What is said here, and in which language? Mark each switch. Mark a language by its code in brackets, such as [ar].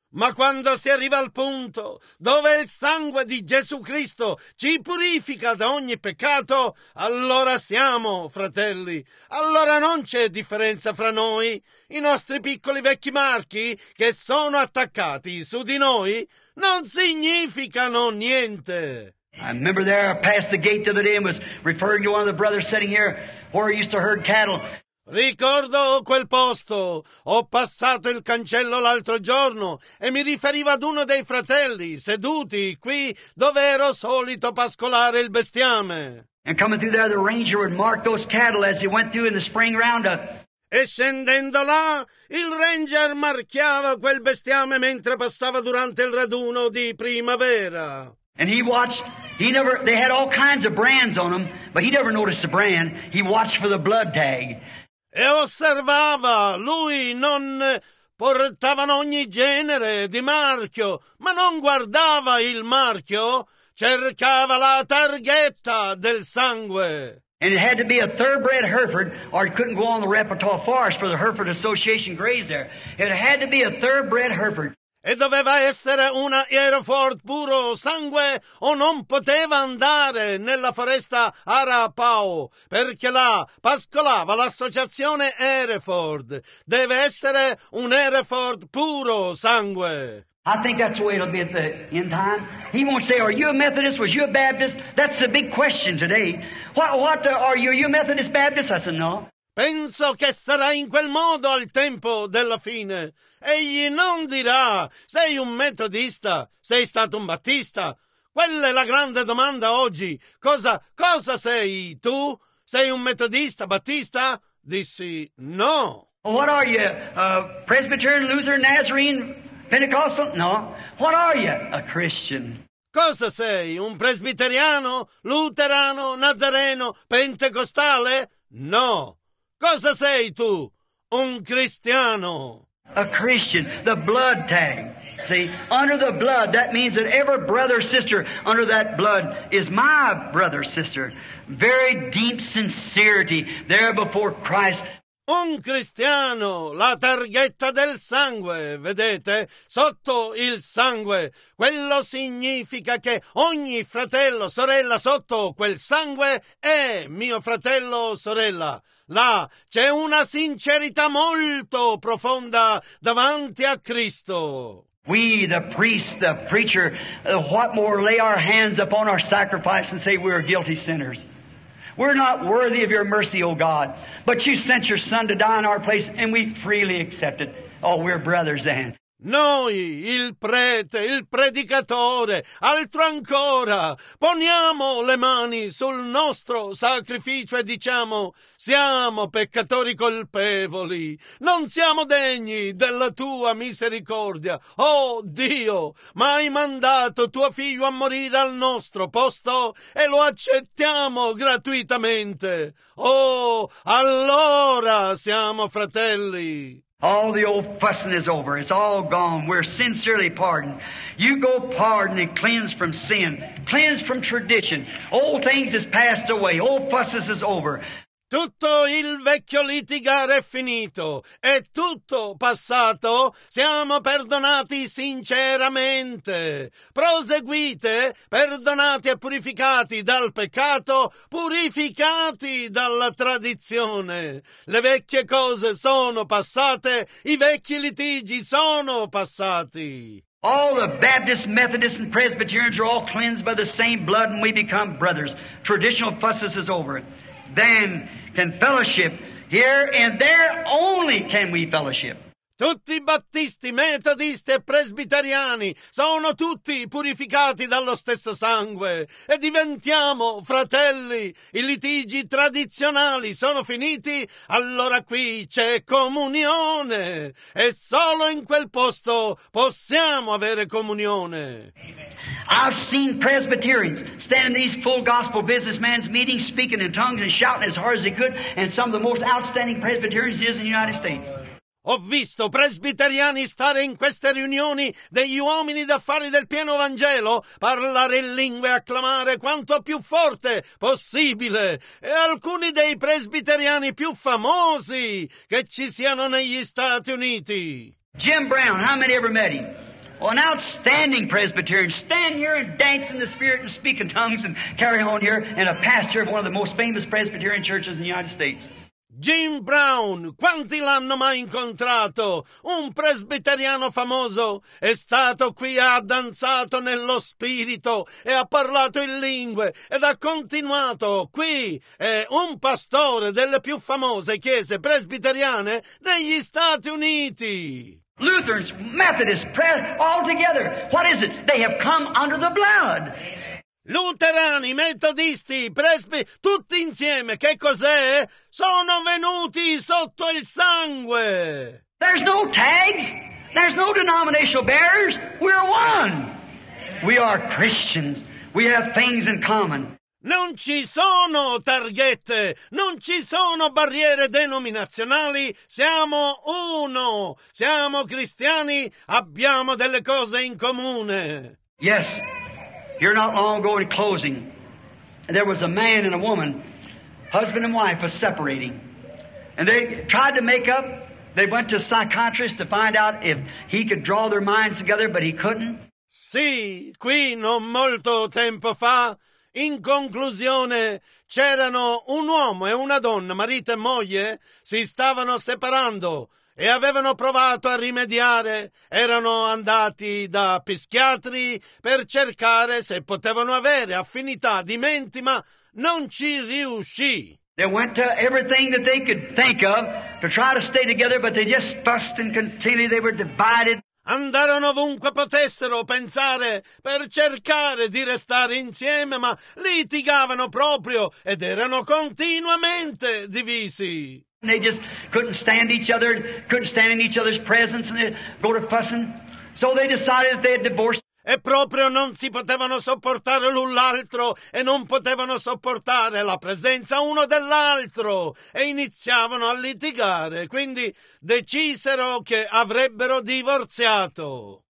[it] Ma quando si arriva al punto dove il sangue di Gesù Cristo ci purifica da ogni peccato, allora siamo fratelli. Allora non c'è differenza fra noi. I nostri piccoli vecchi marchi che sono attaccati su di noi non significano niente. [en] I remember there, I passed the gate the other day and was referring to one of the brothers sitting here where I used to herd cattle. [it] Ricordo quel posto. Ho passato il cancello l'altro giorno e mi riferivo ad uno dei fratelli seduti qui dove ero solito pascolare il bestiame. [en] And coming through there, the ranger would mark those cattle as he went through in the spring roundup. [it] E scendendo là, il ranger marchiava quel bestiame mentre passava durante il raduno di primavera. [en] And he watched. They had all kinds of brands on them, but he never noticed the brand. He watched for the blood tag. [it] E osservava, lui non portavano ogni genere di marchio, ma non guardava il marchio, cercava la targhetta del sangue. [en] And it had to be a thoroughbred Hereford, or it couldn't go on the Repertoire Forest for the Hereford Association graze there. It had to be a thoroughbred Hereford. [it] E doveva essere una Hereford puro sangue, o non poteva andare nella foresta Arapaho, perché là pascolava l'associazione Hereford. Deve essere un Hereford puro sangue. [en] I think that's the way it'll be at the end time. He won't say, are you a Methodist? Was you a Baptist? That's the big question today. What are you? Are you a Methodist, Baptist? I said, no. [it] Penso che sarà in quel modo al tempo della fine. Egli non dirà, sei un metodista? Sei stato un battista? Quella è la grande domanda oggi. Cosa sei tu? Sei un metodista, battista? Dissi, no. [en] What are you? Presbyterian, Lutheran, Nazarene? Pentecostal? No. What are you? A Christian. [it] Cosa sei? Un presbiteriano? Luterano? Nazareno? Pentecostale? No! Cosa sei tu? Un cristiano! [en] A Christian, the blood tag. See, under the blood, that means that every brother or sister under that blood is my brother or sister. Very deep sincerity there before Christ. [it] Un cristiano, la targhetta del sangue, vedete? Sotto il sangue. Quello significa che ogni fratello, sorella, sotto quel sangue è mio fratello o sorella. Là c'è una sincerità molto profonda davanti a Cristo. [en] We, the priest, the preacher, what more, lay our hands upon our sacrifice and say we are guilty sinners. We're not worthy of your mercy, O God, but you sent your Son to die in our place, and we freely accept it. Oh, we're brothers then. [it] Noi, il prete, il predicatore, altro ancora, poniamo le mani sul nostro sacrificio e diciamo, siamo peccatori colpevoli, non siamo degni della tua misericordia, oh Dio, ma hai mandato tuo figlio a morire al nostro posto e lo accettiamo gratuitamente, oh, allora siamo fratelli. [en] All the old fussing is over. It's all gone. We're sincerely pardoned. You go pardon and cleanse from sin, cleanse from tradition. Old things is passed away. Old fusses is over. [it] Tutto il vecchio litigare è finito. È tutto passato. Siamo perdonati sinceramente. Proseguite, perdonati e purificati dal peccato, purificati dalla tradizione. Le vecchie cose sono passate, i vecchi litigi sono passati. [en] All the Baptists, Methodists, and Presbyterians are all cleansed by the same blood and we become brothers. Traditional fusses is over. Then can fellowship here and there only can we fellowship. [it] Tutti i battisti, metodisti e presbiteriani sono tutti purificati dallo stesso sangue e diventiamo fratelli. I litigi tradizionali sono finiti, allora qui c'è comunione e solo in quel posto possiamo avere comunione. [en] I've seen Presbyterians stand in these full gospel businessmen's meetings speaking in tongues and shouting as hard as they could, and some of the most outstanding Presbyterians is in the United States. [it] Ho visto presbiteriani stare in queste riunioni degli uomini d'affari del pieno Vangelo, parlare in lingue e acclamare quanto più forte possibile. E alcuni dei presbiteriani più famosi che ci siano negli Stati Uniti. [en] Jim Brown, how many ever met him? Well, an outstanding Presbyterian. Stand here and dance in the Spirit and speak in tongues and carry on here, and a pastor of one of the most famous Presbyterian churches in the United States. [it] Jim Brown, quanti l'hanno mai incontrato? Un presbiteriano famoso è stato qui, ha danzato nello spirito e ha parlato in lingue ed ha continuato qui. È un pastore delle più famose chiese presbiteriane negli Stati Uniti. [en] Lutherans, Methodists, Press, all together. What is it? They have come under the blood. [it] Luterani, metodisti, presbi, tutti insieme, che cos'è? Sono venuti sotto il sangue. [en] There's no tags, there's no denominational barriers, we're one. We are Christians, we have things in common. [it] Non ci sono targhette, non ci sono barriere denominazionali, siamo uno, siamo cristiani, abbiamo delle cose in comune. [en] Yes. Here not long ago in closing, there was a man and a woman, husband and wife, were separating. And they tried to make up. They went to a psychiatrist to find out if he could draw their minds together, but he couldn't. [it] Sì, qui non molto tempo fa, in conclusione, c'erano un uomo e una donna, marito e moglie, si stavano separando. E avevano provato a rimediare, erano andati da psichiatri per cercare se potevano avere affinità di menti, ma non ci riuscì. [en] They went to everything that they could think of to try to stay together, but they just fussed and continued, they were divided. [it] Andarono ovunque potessero pensare per cercare di restare insieme, ma litigavano proprio ed erano continuamente divisi. [en] And they just couldn't stand each other, couldn't stand in each other's presence, and they'd go to fussing. So they decided that they had divorced. [it] E proprio non si potevano sopportare l'un l'altro e non potevano sopportare la presenza uno dell'altro e iniziavano a litigare, quindi decisero che avrebbero divorziato.